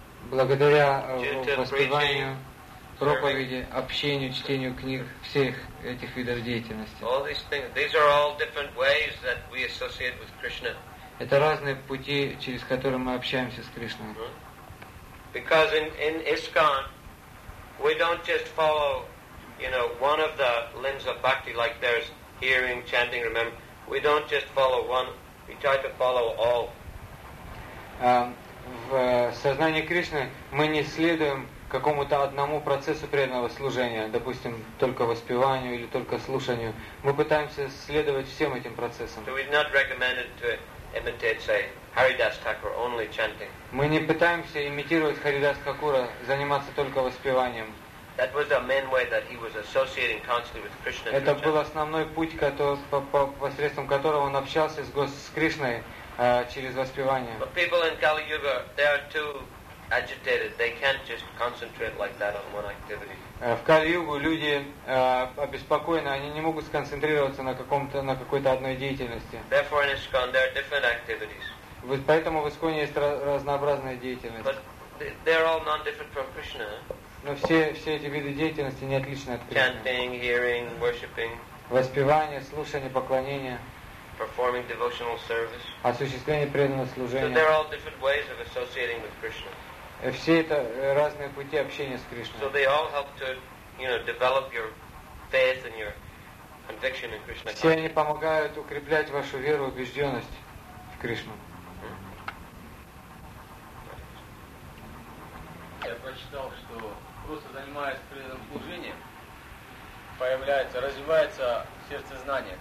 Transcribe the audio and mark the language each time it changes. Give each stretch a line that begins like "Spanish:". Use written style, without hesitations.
Russian: благодаря воспеванию, проповеди, общению, чтению книг, всех этих видов деятельности.
English: All these things, these are all different ways that we associate with Krishna.
Russian: Это разные пути, через которые мы общаемся с Кришной. Mm-hmm.
English: Because in ISKCON we don't just follow, you know, one of the limbs of bhakti, like there's hearing, chanting, remember. We don't just follow one, we try to follow all.
Russian: В сознании Кришны мы не следуем какому-то одному процессу преданного служения, допустим, только воспеванию или только слушанию. Мы пытаемся следовать всем этим процессам.
English: So we're not recommended to imitate, say, Haridas Thakur, only chanting.
Russian: Мы не пытаемся имитировать Харидас Такура, заниматься только воспеванием.
English: That was the main way that he was associating constantly with Krishna.
Russian: Это был основной путь, посредством которого он общался с Кришной через воспевание.
English: But people in Kali Yuga, they are too agitated. They can't just concentrate like that on one activity.
Russian: В Кали-Югу люди обеспокоены, они не могут сконцентрироваться на какой-то одной деятельности.
English: Therefore in ISKCON there are different activities.
Russian: Поэтому в ИСККОНе есть разнообразная деятельность.
English: But they're all non-different from Krishna.
Russian: Но все эти виды деятельности не отличны от Кришны.
English: Chanting, hearing, worshipping.
Russian: Воспевание, слушание, поклонение.
English: Performing devotional service.
Russian: Осуществление преданного служения.
English: So they're all different ways of associating with Krishna.
Russian: Все это разные пути общения с Кришной.
English: So they all help to, you know, develop your faith and your conviction in Krishna.
Russian: Все они помогают укреплять вашу веру, убежденность в Кришну. Я прочитал, что просто занимаясь преданным служением, развивается в сердце знание.